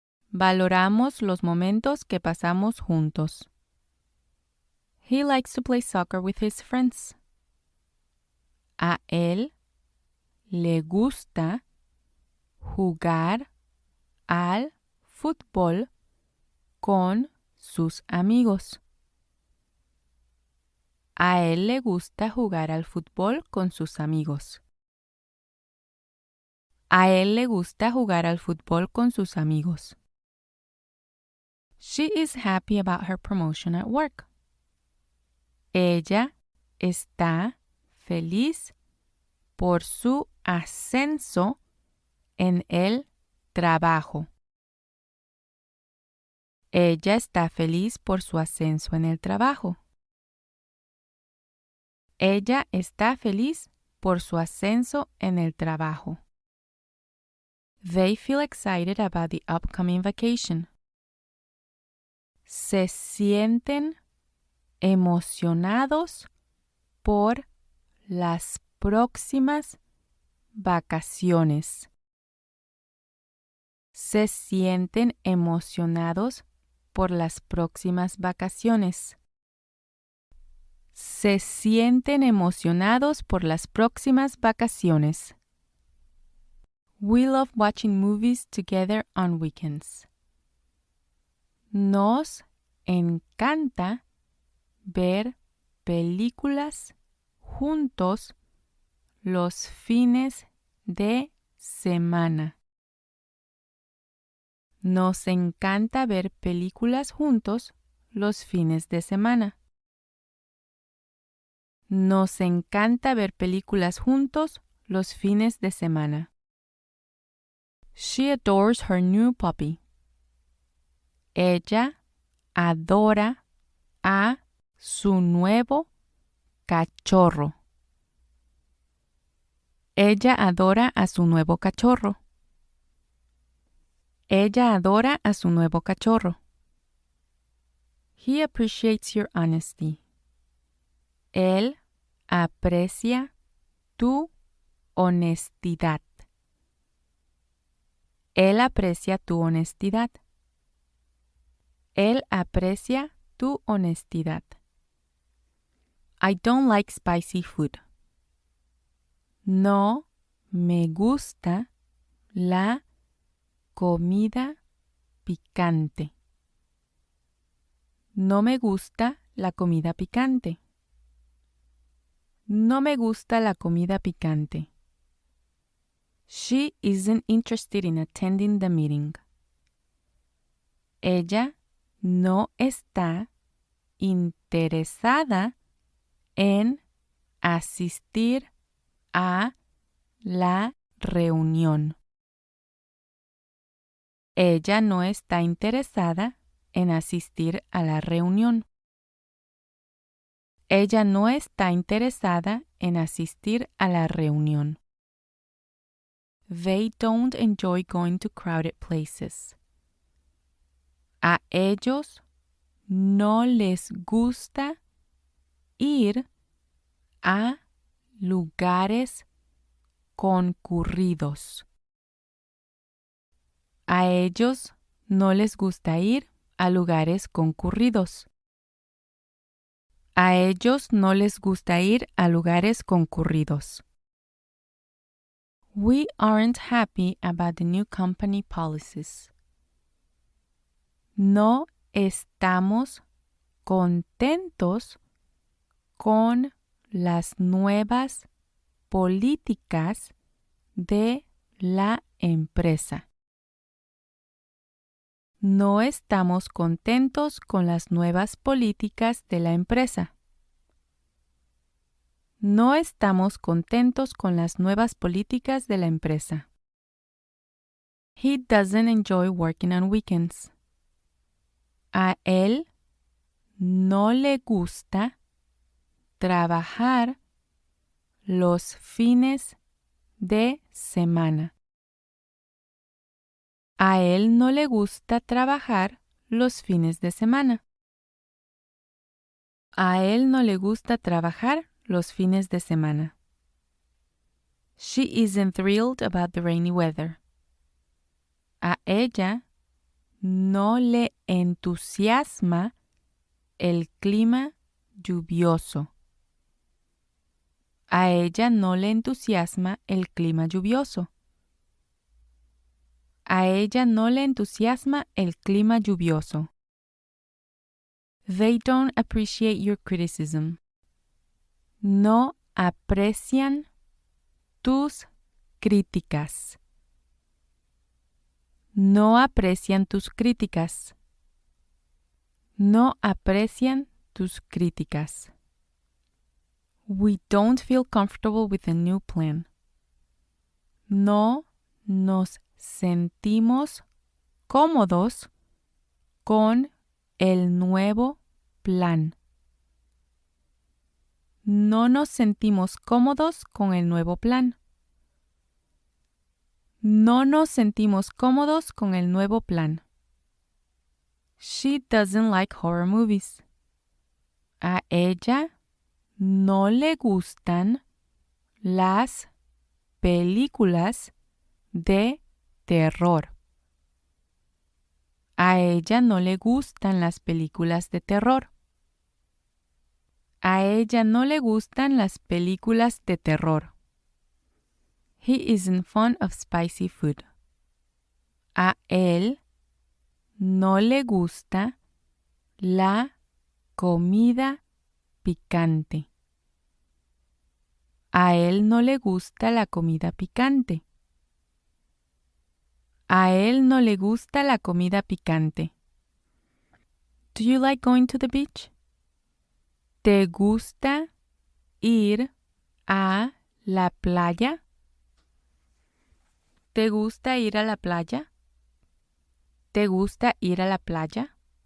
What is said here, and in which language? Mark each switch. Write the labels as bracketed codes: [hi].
[es] Valoramos los momentos que pasamos juntos. [en] He likes to play soccer with his friends. [es] A él le gusta jugar al fútbol con sus amigos. A él le gusta jugar al fútbol con sus amigos. A él le gusta jugar al fútbol con sus amigos. [en] She is happy about her promotion at work. [es] Ella está feliz por su ascenso en el trabajo. Ella está feliz por su ascenso en el trabajo. Ella está feliz por su ascenso en el trabajo. [en] They feel excited about the upcoming vacation. [es] Se sienten emocionados por las próximas vacaciones. Se sienten emocionados por las próximas vacaciones. Se sienten emocionados por las próximas vacaciones. [en] We love watching movies together on weekends. [es] Nos encanta ver películas juntos los fines de semana. Nos encanta ver películas juntos los fines de semana. Nos encanta ver películas juntos los fines de semana. [en] She adores her new puppy. [es] Ella adora a su nuevo cachorro. Ella adora a su nuevo cachorro. Ella adora a su nuevo cachorro. [en] He appreciates your honesty. [es] Él aprecia tu honestidad. Él aprecia tu honestidad. Él aprecia tu honestidad. [en] I don't like spicy food. [es] No me gusta la comida picante. No me gusta la comida picante. No me gusta la comida picante. [en] She isn't interested in attending the meeting. [es] Ella no está interesada en asistir a la reunión. Ella no está interesada en asistir a la reunión. Ella no está interesada en asistir a la reunión. [en] They don't enjoy going to crowded places. [es] A ellos no les gusta ir a lugares concurridos. A ellos no les gusta ir a lugares concurridos. A ellos no les gusta ir a lugares concurridos. [en] We aren't happy about the new company policies. [es] No estamos contentos con las nuevas políticas de la empresa. No estamos contentos con las nuevas políticas de la empresa. No estamos contentos con las nuevas políticas de la empresa. [en] He doesn't enjoy working on weekends. [es] A él no le gusta trabajar los fines de semana. A él no le gusta trabajar los fines de semana. A él no le gusta trabajar los fines de semana. [en] She isn't thrilled about the rainy weather. [es] A ella no le entusiasma el clima lluvioso. A ella no le entusiasma el clima lluvioso. A ella no le entusiasma el clima lluvioso. [en] They don't appreciate your criticism. [es] No aprecian tus críticas. No aprecian tus críticas. No aprecian tus críticas. [en] We don't feel comfortable with the new plan. [es] No nos sentimos cómodos con el nuevo plan. No nos sentimos cómodos con el nuevo plan. No nos sentimos cómodos con el nuevo plan. [en] She doesn't like horror movies. [es] A ella no le gustan las películas de terror. A ella no le gustan las películas de terror. A ella no le gustan las películas de terror. [en] He isn't fond of spicy food. [es] A él no le gusta la comida picante. A él no le gusta la comida picante. A él no le gusta la comida picante. [en] Do you like going to the beach? [es] ¿Te gusta ir a la playa? ¿Te gusta ir a la playa? ¿Te gusta ir a la playa?